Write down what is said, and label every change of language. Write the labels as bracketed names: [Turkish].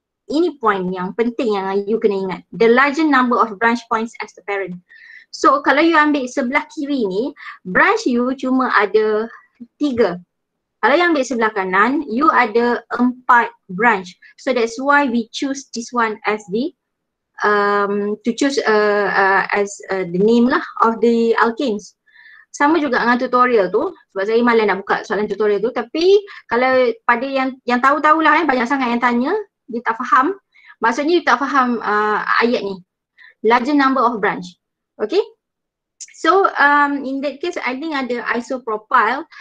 [Malay] Ini point yang penting yang you kena ingat. [English] The larger number of branch points as the parent. [Malay] So kalau you ambil sebelah kiri ni, branch you cuma ada 3. Kalau you ambil sebelah kanan, you ada 4 branch. [English] So that's why we choose this one as the to choose as the name lah of the alkenes. [Malay] Sama juga dengan tutorial tu, sebab saya malas nak buka soalan tutorial tu. Tapi kalau pada yang tahu-tahulah eh, banyak sangat yang tanya, dia tak faham. Maksudnya dia tak faham ayat ni, [English] larger number of branch. Okay, so in that case I think ada isopropyl.